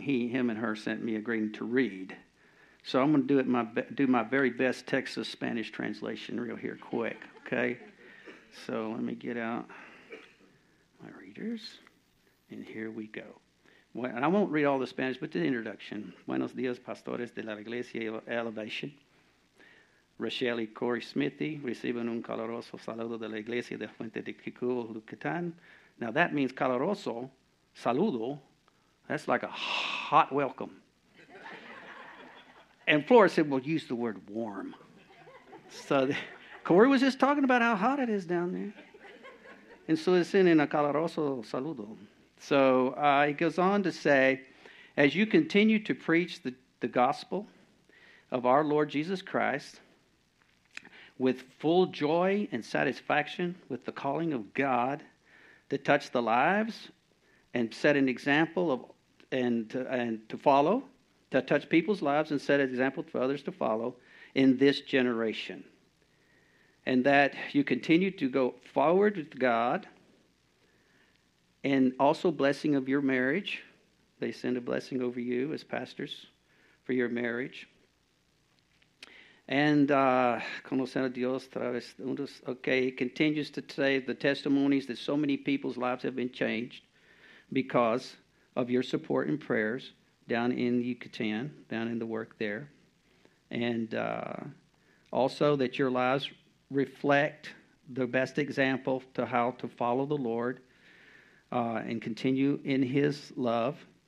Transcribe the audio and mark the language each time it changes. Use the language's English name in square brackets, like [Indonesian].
[English] Him and her sent me a greeting to read. So I'm going to do my very best Texas Spanish translation real here quick, okay? So let me get out my readers, and here we go. Well, and I won't read all the Spanish, but the introduction. [Spanish] Buenos días, pastores de la Iglesia Elevation. Rochelle y Corey Smithy reciben un caloroso saludo de la Iglesia de Fuente de Kikú, Yucatán. [English] Now that means [Spanish] caloroso, saludo. [English] That's like a hot welcome. And Flora said, well, use the word warm. So Corey was just talking about how hot it is down there. And so it's in a [Spanish] caloroso saludo. [English] So he goes on to say, as you continue to preach the gospel of our Lord Jesus Christ with full joy and satisfaction with the calling of God to touch the lives and set an example of and to follow, to touch people's lives and set an example for others to follow in this generation. And that you continue to go forward with God and also blessing of your marriage. They send a blessing over you as pastors for your marriage. And [Spanish] conocer a Dios a través de unos. [English] Okay, he continues to say the testimonies that so many people's lives have been changed because of your support and prayers down in Yucatan, down in the work there. And also that your lives reflect the best example to how to follow the Lord and continue in his love.